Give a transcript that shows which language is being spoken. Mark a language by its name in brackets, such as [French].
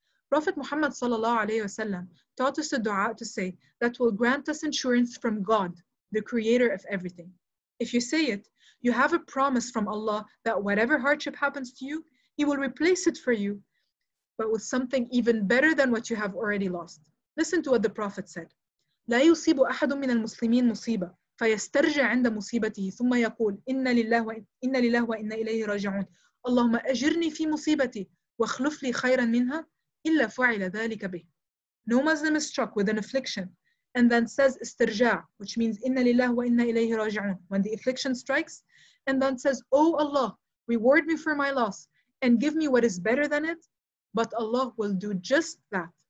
[English] Prophet Muhammad sallallahu alayhi wa sallam taught us a dua to say that will grant us insurance from God, the creator of everything. If you say it, you have a promise from Allah that whatever hardship happens to you, He will replace it for you, but with something even better than what you have already lost. Listen to what the Prophet said. [Arabic] لا يصيب أحد من المسلمين مصيبة فيسترجع عند مصيبته ثم يقول إن لله وإن إليه راجعون اللهم أجرني في مصيبتي واخلف لي خيرا منها إلا فعل ذلك به. [English] No Muslim is struck with an affliction and then says استرجع, which means [Arabic] إن لله وإن إليه راجعون, [English] when the affliction strikes, and then says, Oh Allah, reward me for my loss and give me what is better than it, but Allah will do just that.